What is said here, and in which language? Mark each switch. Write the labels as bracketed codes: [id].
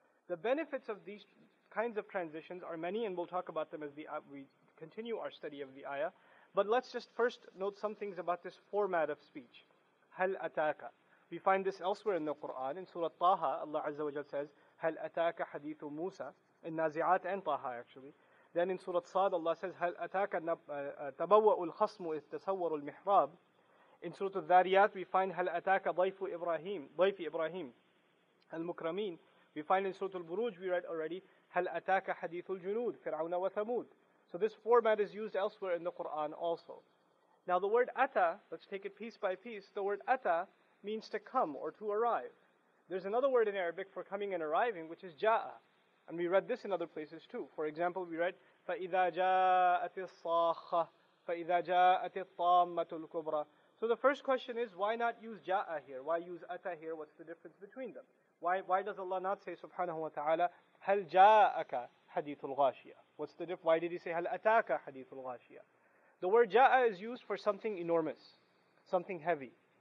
[en] The benefits of these kinds of transitions are many, and we'll talk about them as we continue our study of the ayah. But let's just first note some things about this format of speech. [ar] هَلْ أَتَاكَ. [en] We find this elsewhere in the Qur'an. In Surah Taha, Allah Azza wa Jal says, [ar] هَلْ أَتَاكَ حَدِيثُ مُوسَى. [en] In Nazi'at and Taha actually. Then in Surah Sad, Allah says, [ar] هَلْ أَتَاكَ تَبَوَّأُ الْخَصْمُ إِذْ تَسَوَّرُ الْمِحْرَابِ. [en] In Surah Al-Dhariyat, we find, [ar] هَلْ أَتَاكَ ضَيْفُ إِبْرَاهِيمُ. ضَيْفِ إِبْرَاهِيمُ الْمُكْرَمِينَ. [en] We find in Surah Al-Buruj, we read already, [ar] هَلْ أَتَاكَ حَدِيثُ الْجُنُودِ فِرْعَوْنَ وَثَمُودِ. [en] So this format is used elsewhere in the Qur'an also. Now the word ata, let's take it piece by piece, the word ata means to come or to arrive. There's another word in Arabic for coming and arriving, which is ja'a. And we read this in other places too. For example, we read, [ar] فَإِذَا جَاءَتِ الصَّاخَّةِ فَإِذَا جَاءَتِ الطَّامَّةُ الْكُبْرَى. [en] So the first question is, why not use ja'a here? Why use ata here? What's the difference between them? Why does Allah not say, subhanahu wa ta'ala, [ar] هَلْ جَاءَكَ حَدِيثُ الْغَاشِيَةِ. [en] What's the difference? Why did he say, [ar] هَلْ أَتَاكَ حَدِيثُ الْغَاشِيَةِ? [en] The word ja'a is used for something enormous, something heavy.